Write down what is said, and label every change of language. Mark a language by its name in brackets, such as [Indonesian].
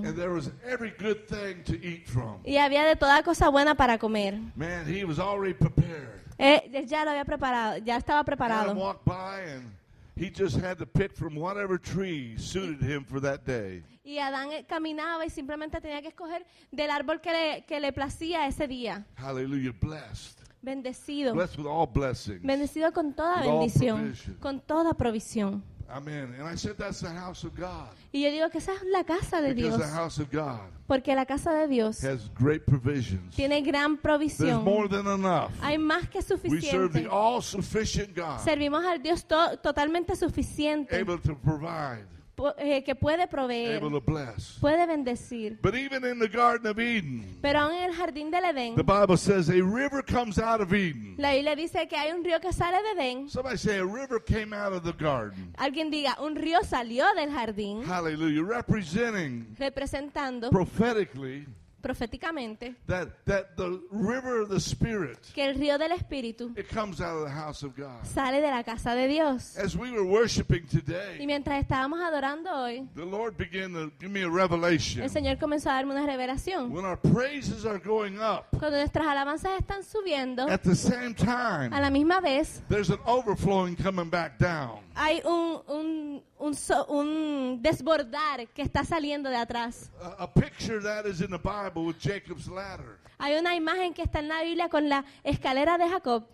[English] And there was every good thing to eat from. [Spanish] Y había de toda cosa buena para comer. [English] Man, he was already prepared. [Spanish] Ya lo había preparado. Ya estaba preparado. [English] Adam walked by and he just had to pick from whatever tree suited him for that day. [Spanish] Y Adán caminaba y simplemente tenía que escoger del árbol que le placía ese día. [English] Hallelujah. Blessed. [Spanish] Bendecido. [English] Blessed with all blessings. [Spanish] Bendecido con toda bendición. Con toda provisión. [English] Amen. And I said that's the house of God. [Spanish] Y yo digo que esa es la casa de Dios. [English] Because the house of God. [Spanish] Porque la casa de Dios. [English] Has great provisions. [Spanish] Tiene gran provisión. [English] There's more than enough. [Spanish] Hay más que suficiente. [English] We serve the all sufficient God. [Spanish] Servimos al Dios totalmente suficiente. [English] Able to provide. [Spanish] Que puede proveer, [English] able to bless. [Spanish] Puede bendecir. [English] But even in the Garden of Eden, [Spanish] pero aún en el jardín del Edén, [English] the Bible says a river comes out of Eden. [Spanish] La Biblia dice que hay un río que sale de Edén. [English] Somebody say a river came out of the garden. [Spanish] Alguien diga, un río salió del jardín. [English] Hallelujah. Representing, [Spanish] representando, [English] prophetically, [Spanish] proféticamente, [English] that the river of the Spirit, [Spanish] que el río del Espíritu, [English] it comes out of the house of God, [Spanish] sale de la casa de Dios. [English] As we were worshiping today, [Spanish] y mientras estábamos adorando hoy, [English] the Lord began to give me a revelation. [Spanish] El Señor comenzó a darme una revelación. [English] When our praises are going up, [Spanish] cuando nuestras alabanzas están subiendo, [English] at the same time, [Spanish] a la misma vez, [English] there's an overflowing coming back down. [Spanish] Hay un desbordar que está saliendo de atrás. [English] A picture that is in the Bible with Jacob's ladder. [Spanish] Hay una imagen que está en la Biblia con la escalera de Jacob.